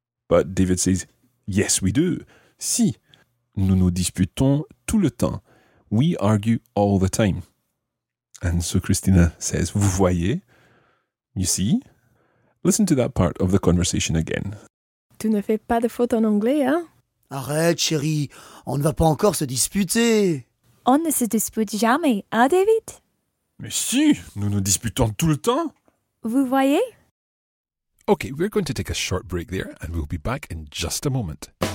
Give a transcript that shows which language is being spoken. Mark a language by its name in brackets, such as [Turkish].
[English] But David says, yes, we do. [French] Si. Nous nous disputons tout le temps. [English] We argue all the time. And so Christina says, [French] vous voyez? [English] You see? Listen to that part of the conversation again. [French] Tu ne fais pas de faute en anglais, hein? Arrête, chérie. On ne va pas encore se disputer. On ne se dispute jamais, hein, David? Mais si, nous nous disputons tout le temps. Vous voyez? [English] Okay, we're going to take a short break there and we'll be back in just a moment.